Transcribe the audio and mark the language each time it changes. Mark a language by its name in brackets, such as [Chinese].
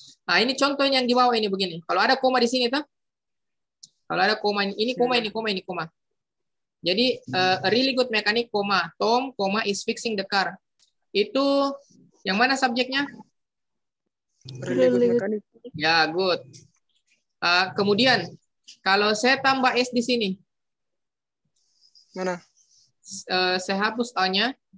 [Indonesian] Nah ini contohnya yang di bawah ini begini. Kalau ada koma di sini tuh, kalau ada koma ini koma ini koma ini koma. [English] Jadi really good mechanic koma Tom koma is fixing the car. [Indonesian] Itu yang mana subjeknya? [English] Really good mechanic. [Indonesian] Ya good. Kemudian. Kalau saya tambah S di sini. Mana? Saya hapus A-nya.